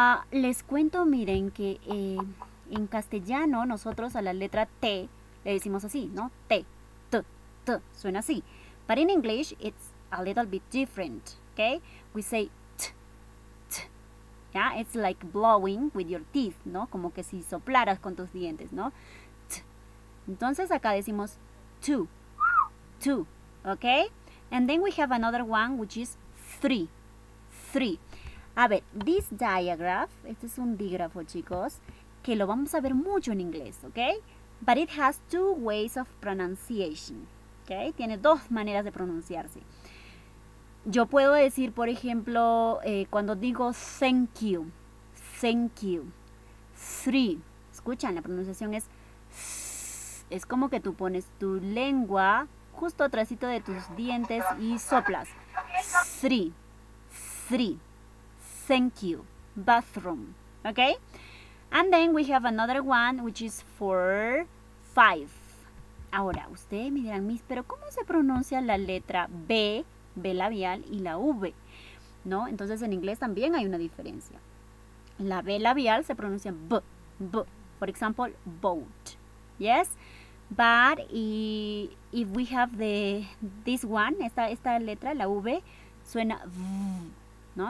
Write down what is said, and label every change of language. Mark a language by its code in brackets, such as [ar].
[es] Les cuento, miren, que en castellano nosotros a la letra T le decimos así, ¿no? T, T, T, suena así. [en] But in English it's a little bit different, okay? We say T, T, yeah? It's like blowing with your teeth, ¿no? [es] Como que si soplaras con tus dientes, ¿no? T. Entonces acá decimos two, two, okay? [en] And then we have another one which is three, three. [es] A ver, [en] this diagraph, [es] este es un dígrafo, chicos, que lo vamos a ver mucho en inglés, ¿ok? [en] But it has two ways of pronunciation, ¿ok? [es] Tiene dos maneras de pronunciarse. Yo puedo decir, por ejemplo, cuando digo thank you, three. Escuchan, la pronunciación es, es como que tú pones tu lengua justo atrásito de tus dientes y soplas. [en] Three, three, thank you, bathroom, ¿ok? And then we have another one, which is four, five. [es] Ahora, ustedes me dirán, Miss, ¿pero cómo se pronuncia la letra B, B labial y la V? ¿No? Entonces, en inglés también hay una diferencia. La B labial se pronuncia B, B. [en] For example, boat. Yes? But if we have the this one, [es] esta letra, la V, suena V, [en] ¿no?